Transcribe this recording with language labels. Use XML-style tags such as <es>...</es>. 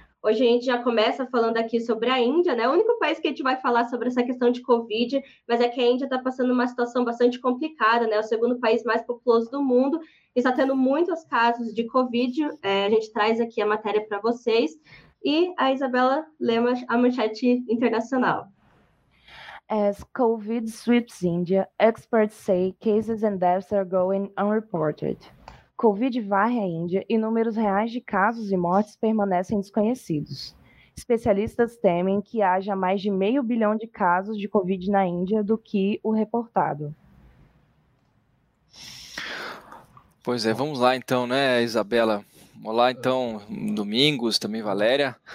<pt>Hoje a gente já começa falando aqui sobre a Índia, né? O único país que a gente vai falar sobre essa questão de Covid, mas é que a Índia está passando uma situação bastante complicada, né? O segundo país mais populoso do mundo e está tendo muitos casos de Covid. A gente traz aqui a matéria para vocês. E a Isabela lê a manchete internacional.</pt> <en>As Covid sweeps India, experts say cases and deaths are going unreported.</en> <pt>Covid varre a Índia e números reais de casos e mortes permanecem desconhecidos. Especialistas temem que haja mais de 500 milhão de casos de Covid na Índia do que o reportado. Pois é, vamos lá então, né, Isabela? Olá então, Domingos, também Valéria.</pt>